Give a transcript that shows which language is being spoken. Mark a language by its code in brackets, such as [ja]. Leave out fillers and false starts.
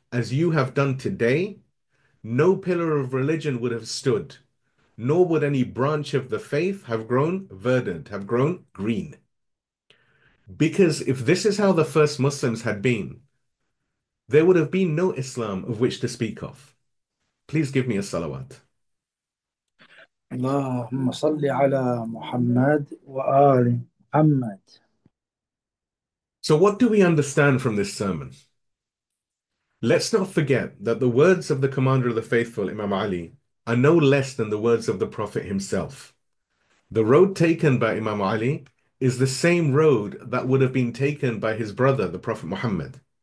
[en] as you have done today, no pillar of religion would have stood, nor would any branch of the faith have grown verdant, have grown green. Because if this is how the first Muslims had been, there would have been no Islam of which to speak of. Please give me a salawat. [ar] اللهم صل على محمد وآل محمد. [en] So, what do we understand from this sermon? Let's not forget that the words of the Commander of the Faithful, Imam Ali, are no less than the words of the Prophet himself. The road taken by Imam Ali is the same road that would have been taken by his brother, the Prophet Muhammad.